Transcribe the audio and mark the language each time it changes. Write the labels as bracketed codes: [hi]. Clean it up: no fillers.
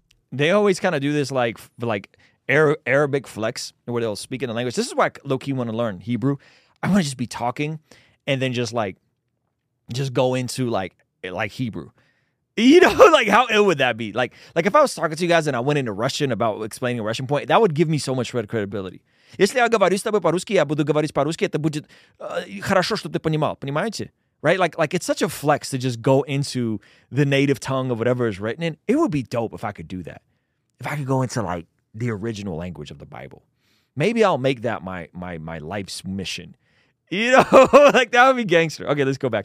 [en] They always kind of do this like Arabic flex, where they'll speak in the language. This is why I low-key want to learn Hebrew. I want to just be talking and then just go into like Hebrew. You know, like how ill would that be? Like if I was talking to you guys and I went into Russian about explaining a Russian point, that would give me so much credibility. [ru] Если я говорю с тобой по-русски, я буду говорить по-русски, это будет хорошо, чтобы ты понимал, понимаете? [en] Right? Like it's such a flex to just go into the native tongue of whatever is written in. It would be dope if I could do that. If I could go into like the original language of the Bible. Maybe I'll make that my life's mission. You know, like that would be gangster. Okay, let's go back.